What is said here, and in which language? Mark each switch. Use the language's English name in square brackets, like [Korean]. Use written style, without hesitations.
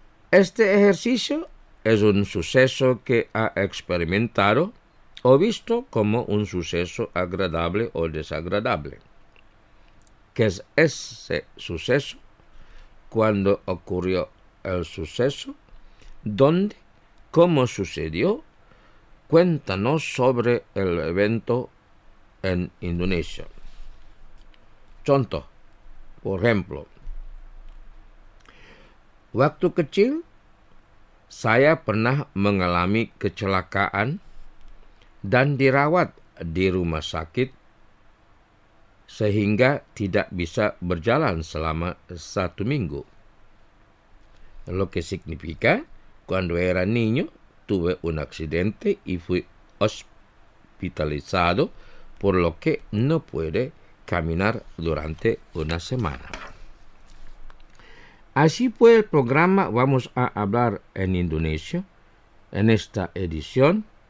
[Spanish] Este ejercicio es un suceso que ha experimentado o visto como un suceso agradable o desagradable. ¿Qué es ese suceso? ¿Cuándo ocurrió el suceso? ¿Dónde? ¿Cómo sucedió? Cuéntanos sobre el evento en Indonesia. [Indonesian] Contoh, [Spanish] por ejemplo, [Indonesian] waktu kecil, saya pernah mengalami kecelakaan dan dirawat di rumah sakit sehingga tidak bisa berjalan selama 1 minggu. [Spanish] Lo que significa, cuando era niño, tuve un accidente y fui hospitalizado, por lo que no pude caminar durante una semana. Así fue el programa Vamos a Hablar en Indonesia, en esta edición.